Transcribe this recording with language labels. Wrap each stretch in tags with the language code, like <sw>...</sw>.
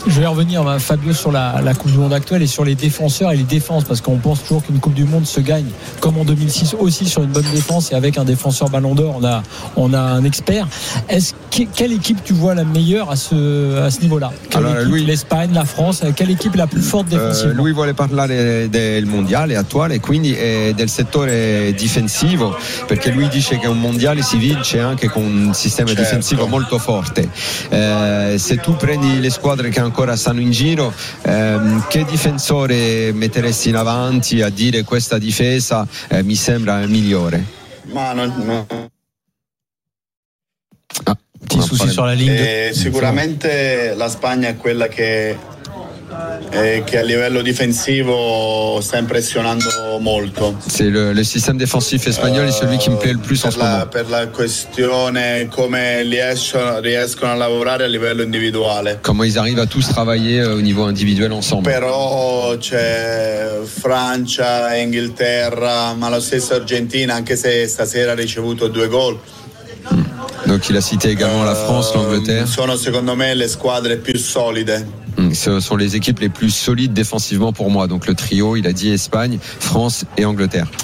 <fr>Je vais revenir, Fabio, sur la Coupe du Monde actuelle et sur les défenseurs et les défenses, parce qu'on pense toujours qu'une Coupe du Monde se gagne comme en 2006 aussi sur une bonne défense, et avec un défenseur Ballon d'Or on a un expert. Quelle équipe tu vois la meilleure à ce niveau-là? L'Espagne, la France, quelle équipe la plus forte défensivement?</fr> <it>Lui voulait parler del Mondiale attuale, quindi è del settore difensivo, perché lui dice che un mondiale si vince anche con un sistema difensivo molto forte. Se tu prendi le squadre che ancora stanno in giro, che difensore metteresti in avanti a dire questa difesa mi sembra migliore? Ma no. Ti soucis sulla linea? Sicuramente la Spagna è quella che a livello difensivo sta impressionando molto.</it> <fr>C'est le système défensif espagnol est celui qui me plaît le plus en ce moment.</fr> <it>Per la questione come riescono a lavorare a livello individuale.</it> <fr>Comment ils arrivent à tous travailler au niveau individuel ensemble.</fr> <it>Però c'è Francia, Inghilterra, ma la stessa Argentina, anche se stasera ha ricevuto due gol.</it> <fr>Donc il a cité également la France, l'Angleterre.</fr> <it>Sono secondo me le squadre più solide.</it> <fr>Ce sont les équipes les plus solides défensivement pour moi. Donc le trio, il a dit Espagne, France et Angleterre.</fr>